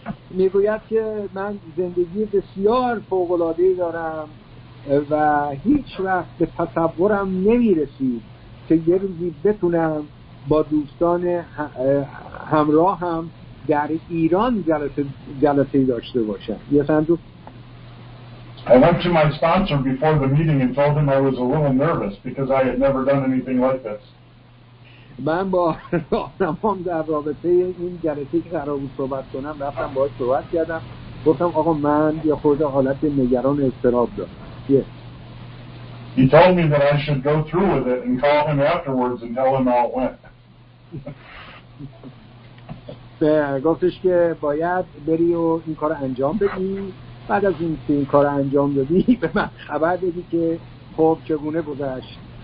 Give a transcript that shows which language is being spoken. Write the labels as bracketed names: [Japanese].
[Persian] میگوید که من زندگی بسیار فوق‌العاده‌ای دارم و هیچ وقت به تصورم نمی‌رسید که یه روزی بتونم با دوستان همراهم در ایران جلسه‌ای داشته باشم. یه سندو [English] I went to my sponsor before the meeting and told him I was a little nervous because I had never done anything like this. [Persian] من با راهنمام در رابطه این جلسه که قرار بود صحبت کنم رفتم باهاش صحبت کردم گفتم آقا من یه خورده حالت نگران اضطراب دارم. [English] He told me that I should go through with it and call him afterwards and tell him how it went. [Persian] گفتش که باید بری و این کار انجام بدی بعد از اینکه این کار انجام دادی به من خبر بدی که خوب چگونه گذشت.